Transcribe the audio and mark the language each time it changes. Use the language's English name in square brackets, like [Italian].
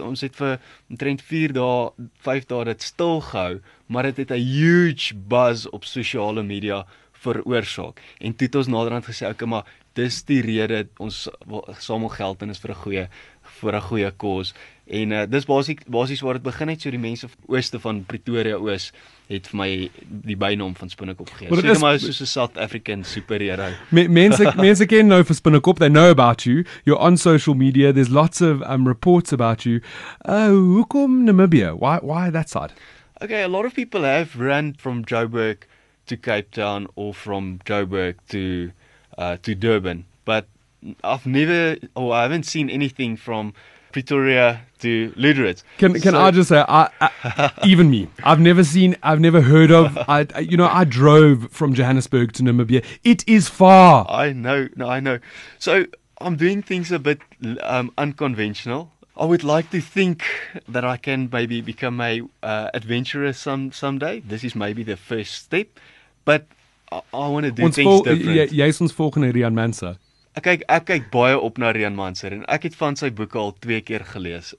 [Afrikaans] Ons het vir omtrent 5 dae dit stil gehou, maar dit het 'n [English] huge buzz [Afrikaans] op sosiale media veroorsaak. En toe het ons naderhand gesê, okay, maar dis die rede ons samel geld en is vir 'n goeie kos. En dis basies waar dit begin het, so die mense ooste van Pretoria Oos het vir my die bynaam van Spinnekop gegee. Well, so maar soos 'n [English] South African superhero. [Afrikaans] Mense ken nou vir Spinnekop, [English] they know about you. You're on social media, there's lots of reports about you. [Afrikaans] Hoekom Namibia? [English] Why that side? Okay, a lot of people have run from Joburg to Cape Town or from Joburg to Durban. But I've never, or I haven't seen anything from Pretoria to Lüderitz. Can I just say, I've never heard of, I drove from Johannesburg to Namibia. It is far. I know. So I'm doing things a bit unconventional. I would like to think that I can maybe become a adventurer someday. This is maybe the first step, but I want to do [Afrikaans] ons [English] things different. [Afrikaans] Jy is ons volgende Rian Manser. Ek kyk baie op na Rian Manser en ek het van sy boeke al 2 keer gelees.